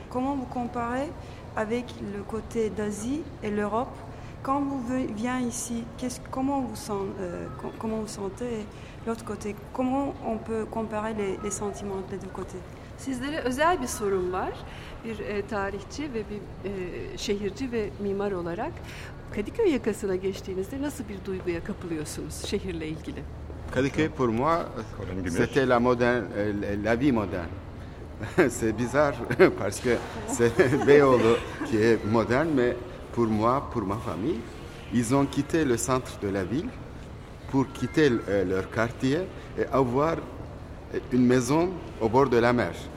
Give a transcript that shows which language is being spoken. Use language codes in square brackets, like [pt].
[fr] Comment vous comparez avec le côté d'Asie et l'Europe? Quand vous venez ici, comment vous sentez l'autre côté? Comment on peut comparer les sentiments des deux côtés? [tr] Sizlere özel bir sorum var. Bir tarihçi ve bir şehirci ve mimar olarak Kadıköy yakasına geçtiğinizde nasıl bir duyguya kapılıyorsunuz şehirle ilgili? [fr] Kadıköy pour moi, c'était la vie moderne. C'est bizarre parce que c'est Beyoğlu qui est moderne, mais pour moi, pour ma famille, ils ont quitté le centre de la ville pour quitter leur quartier et avoir une maison au bord de la mer.